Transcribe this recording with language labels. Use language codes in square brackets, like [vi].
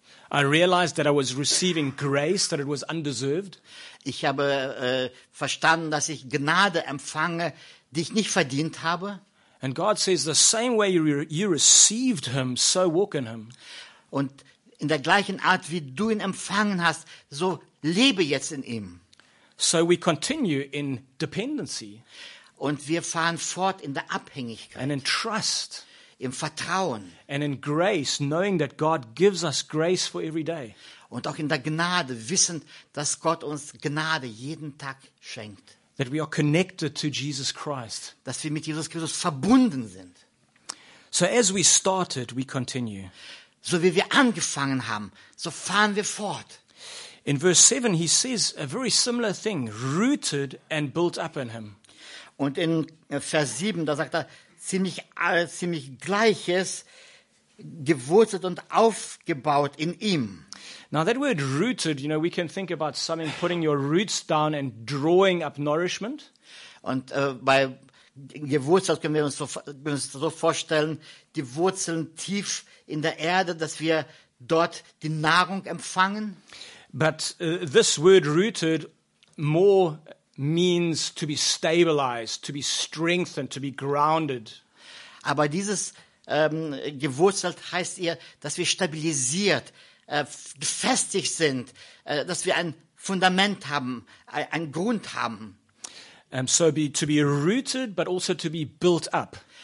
[en] I realized that I was receiving grace, that it was undeserved. [de] Ich habe verstanden, dass ich Gnade empfange, die ich nicht verdient habe. [en] And God says, the same way you received him, so walk in him. [de] Und in der gleichen Art, wie du ihn empfangen hast, so lebe jetzt in ihm. [en] So we continue in dependency. [de] Und wir fahren fort in der Abhängigkeit. [en] And in trust. [de] Im Vertrauen. [en] And in grace, knowing that God gives us grace for every day. [de] Und auch in der Gnade, wissend, dass Gott uns Gnade jeden Tag schenkt. [en] That we are connected to Jesus Christ. [de] Dass wir mit Jesus Christus verbunden sind. [en] So as we started, we continue. [de] So wie wir angefangen haben, so fahren wir fort. [en] In verse 7 he says a very similar thing, rooted and built up in him. [de] Und in Vers 7 da sagt er ziemlich gleiches, gewurzelt und aufgebaut in ihm. [en] Now that word rooted, you know, we can think about something putting your roots down and drawing up nourishment. [de] Und bei gewurzelt können wir uns so vorstellen, die Wurzeln tief in der Erde, dass wir dort die Nahrung empfangen. [en] But this word rooted more means to be stabilized, to be strengthened, to be grounded. [de] Aber dieses gewurzelt heißt eher, dass wir stabilisiert, gefestigt sind, dass wir ein Fundament haben, ein Grund haben. [en] To be rooted, but also to be built up.